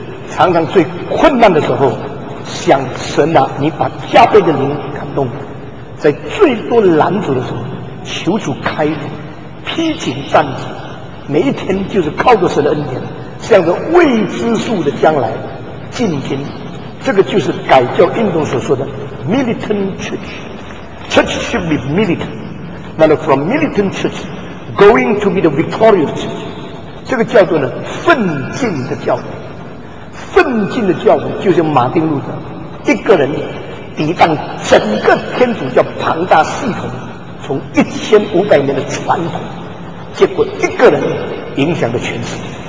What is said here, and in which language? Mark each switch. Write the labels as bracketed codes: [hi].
[zh] 常常最困难的时候想，神啊，你把加倍的灵感动，在最多拦阻的时候求主开路，披荆斩棘，每一天就是靠着神的恩典，向着未知数的将来进军。这个就是改教运动所说的 [en] Militant church， church should be militant， but from militant church going to be the victorious church。 [zh] 这个叫做呢奋进的教会。奋进的教会就像马丁路德一个人抵挡整个天主教庞大系统从1500年的传统，结果一个人影响了全世界。